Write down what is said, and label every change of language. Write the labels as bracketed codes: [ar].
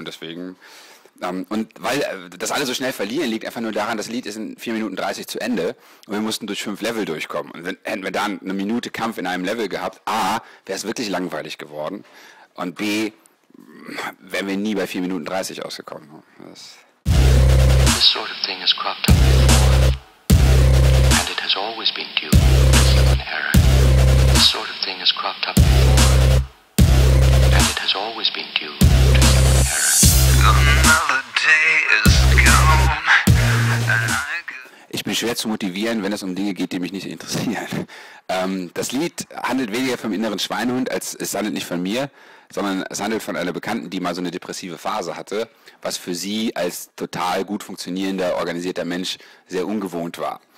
[de] Und deswegen, und weil das alles so schnell verlieren liegt, einfach nur daran, das Lied ist in 4 Minuten 30 zu Ende und wir mussten durch 5 Level durchkommen. Und hätten wir dann eine Minute Kampf in einem Level gehabt, A, wäre es wirklich langweilig geworden und B, wären wir nie bei 4 Minuten 30 ausgekommen. [en] Das This sort of thing has cropped up before, and it has always been due to human error. This sort of thing has cropped up before, and it has always been due to human error. Another day is gone, and [de] ich bin schwer zu motivieren, wenn es um Dinge geht, die mich nicht interessieren. Das Lied handelt weniger vom inneren Schweinehund, als es handelt nicht von mir, sondern es handelt von einer Bekannten, die mal so eine depressive Phase hatte, was für sie als total gut funktionierender, organisierter Mensch sehr ungewohnt war.